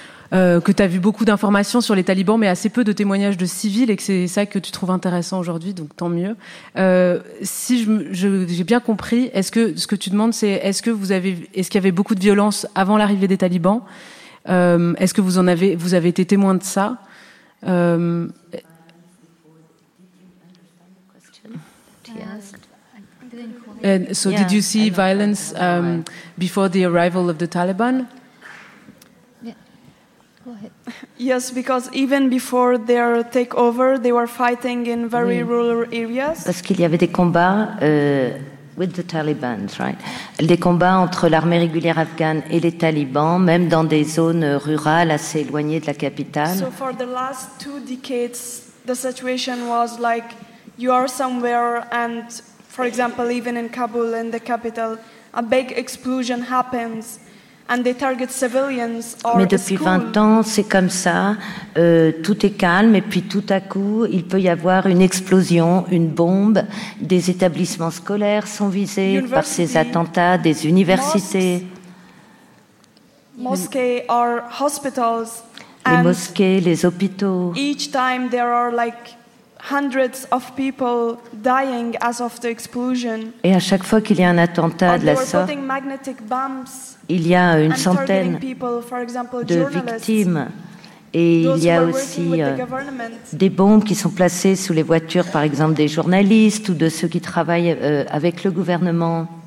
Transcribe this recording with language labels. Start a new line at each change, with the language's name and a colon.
French: que tu as vu beaucoup d'informations sur les talibans, mais assez peu de témoignages de civils, et que c'est ça que tu trouves intéressant aujourd'hui, donc tant mieux. Si j'ai bien compris, est-ce que ce que tu demandes, c'est est-ce qu'il y avait beaucoup de violence avant l'arrivée des talibans? Est-ce que vous avez été témoin de ça?
English: Did you see violence before the arrival of the Taliban? Yes, because even before their takeover, they were fighting in very rural areas.
French: Parce qu'il y avait des combats
English: with the Taliban, right?
French: Des combats entre l'armée régulière afghane et les talibans, même dans des zones rurales assez éloignées de la capitale.
English: So for the last two decades, the situation was like you are somewhere, and for example, even in Kabul, in the capital, a big explosion happens. And they target civilians or
French: mais depuis 20 ans, c'est comme ça. Tout est calme et puis tout à coup, il peut y avoir une explosion, une bombe. Des établissements scolaires sont visés par ces attentats, des universités.
English: Mosques or hospitals.
French: Les mosquées, les hôpitaux.
English: Each time there are like hundreds of people dying as of the explosion.
French: Et à chaque fois qu'il y a un attentat de la sorte,
English: putting magnetic bumps.
French: Il y a une centaine de victimes et il y a aussi des bombes qui sont placées sous les voitures, par exemple, des journalistes ou de ceux qui travaillent avec le gouvernement.